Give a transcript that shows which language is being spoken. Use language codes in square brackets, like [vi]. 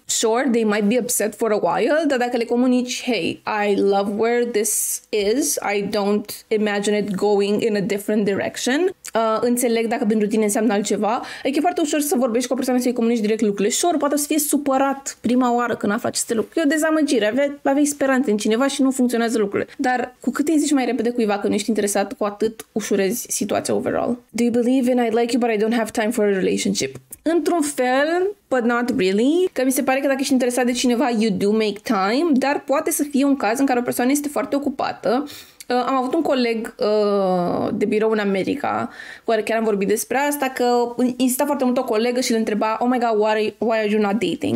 [en] Sure, they might be upset for a while, [ro] dar dacă le comunici, [en] hey, I love where this is, I don't imagine it going in a different direction, [ro] înțeleg dacă pentru tine înseamnă altceva, adică e foarte ușor să vorbești cu o persoană, să-i comunici direct lucrurile. Sure, poate să fie supărat prima oară când afla aceste lucruri. E o dezamăgire, aveai speranță în cineva și nu funcționează lucrurile. Dar cu cât îi zici mai repede cuiva că nu ești interesat, cu atât ușurezi situația overall. [en] Do you believe in I like you, but I don't have time for a relationship? [ro] Într-un fel, [en] but not really, [ro] că mi se pare că dacă ești interesat de cineva, [en] you do make time, [ro] dar poate să fie un caz în care o persoană este foarte ocupată. Am avut un coleg de birou în America, cu care chiar am vorbit despre asta, că insista foarte mult o colegă și le întreba, [en] oh my god, why are you not dating?